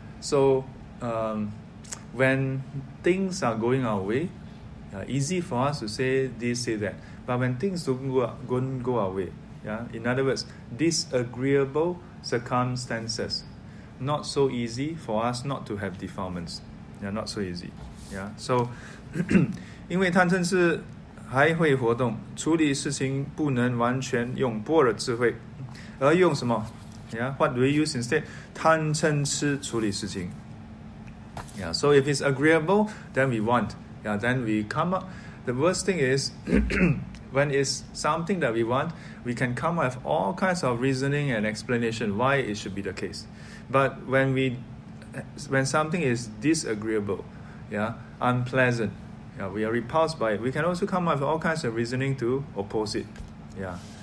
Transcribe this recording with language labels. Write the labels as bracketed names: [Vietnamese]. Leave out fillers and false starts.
[English] So, when things are going our way, easy for us to say this, say that. But when things don't go our way, in other words, disagreeable circumstances, not so easy for us not to have defilements. Yeah, not so easy. Yeah. [Chinese] So, 因为贪嗔痴还会活动，处理事情不能完全用般若智慧，而用什么？ [English] Yeah, what do we use instead? [Chinese] 贪嗔痴处理事情. [English] Yeah, so if it's agreeable, then we want. Yeah, then we come up. The worst thing is, when it's something that we want, we can come up with all kinds of reasoning and explanation why it should be the case. But when something is disagreeable, unpleasant, we are repulsed by it, we can also come up with all kinds of reasoning to oppose it. Yeah.